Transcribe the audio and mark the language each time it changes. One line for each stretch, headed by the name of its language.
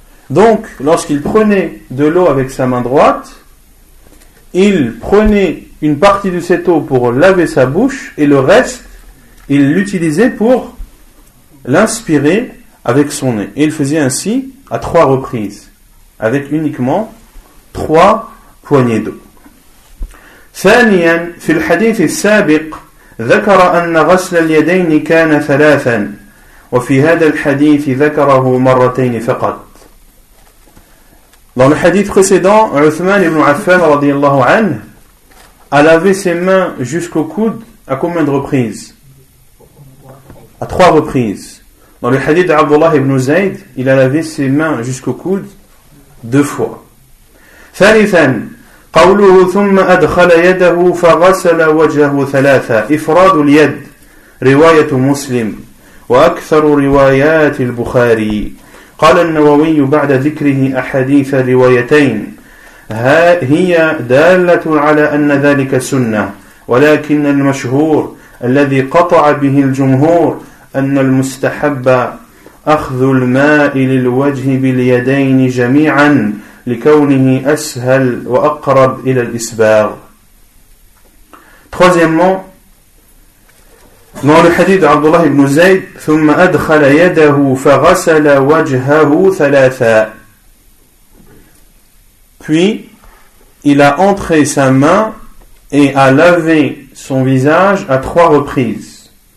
French: Donc, lorsqu'il prenait de l'eau avec sa main droite, il prenait une partie de cette eau pour laver sa bouche et le reste, il l'utilisait pour l'inspirer avec son nez. Et il faisait ainsi à trois reprises, avec uniquement trois poignées d'eau.
Arabic: ثانيا في الحديث السابق ذكر أن غسل اليدين كان ثلاثا وفي هذا الحديث ذكره مرتين فقط.
French: Dans le hadith précédent, Uthman ibn Affan radiyallahu anhu a lavé ses mains jusqu'au coude à combien de reprises? À trois reprises. Dans le hadith d'Abdullah ibn Zayd, il a lavé ses mains jusqu'au coude deux fois.
Arabic: ثالثاً قوله ثم أدخل يده فغسل وجهه ثلاثة إفراد اليد رواية مسلم وأكثر روايات البخاري. قال النووي بعد ذكره أحاديث روايتين هي دالة على أن ذلك سنة ولكن المشهور الذي قطع به الجمهور أن المستحب أخذ الماء للوجه باليدين جميعا لكونه أسهل وأقرب إلى الإسباغ.
French: Troisièmement, dans le hadith d'Abdullah ibn Zayd,
Arabic: ثم أدخل يده فغسل وجهه ثلاثا.
French: Puis, il a entré sa main et a lavé son visage à trois reprises.